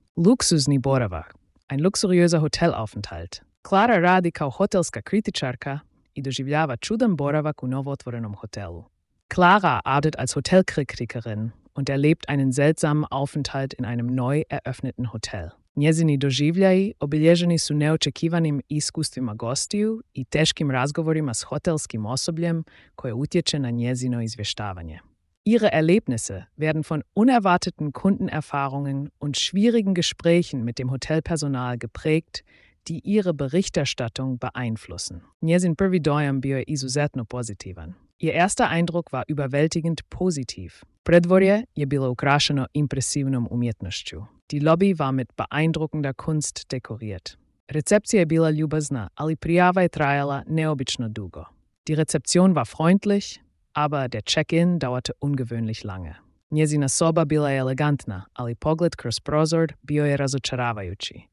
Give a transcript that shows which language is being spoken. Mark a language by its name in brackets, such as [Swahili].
[Croatian] Luksuzni boravak, [German] ein luxuriöser Hotelaufenthalt. [Croatian] Klara radi kao hotelska kritičarka i doživljava čudan boravak u novootvorenom hotelu. [German] Klara arbeitet als Hotelkritikerin und erlebt einen seltsamen Aufenthalt in einem neu eröffneten Hotel. [Croatian] Njezini doživljaji obilježeni su neočekivanim iskustvima gostiju i teškim razgovorima s hotelskim osobljem koje utječe na njezino izvještavanje. [German] Ihre Erlebnisse werden von unerwarteten Kundenerfahrungen und schwierigen Gesprächen mit dem Hotelpersonal geprägt, die ihre Berichterstattung beeinflussen. [Croatian] Njezin prvi dojam bio je izuzetno pozitivan. [German] Ihr erster Eindruck war überwältigend positiv. [Croatian] Predvorje je bilo ukrašeno impresivnom umjetnošću. [German] Die Lobby war mit beeindruckender Kunst dekoriert. [Croatian] Rezepcija je bila ljubazna, ali prijava je trajala neobično dugo. [German] Die Rezeption war freundlich, aber der Check-in dauerte ungewöhnlich lange. [Croatian] Njezina soba bila je elegantna, ali pogled kroz prozor bio je razočaravajući.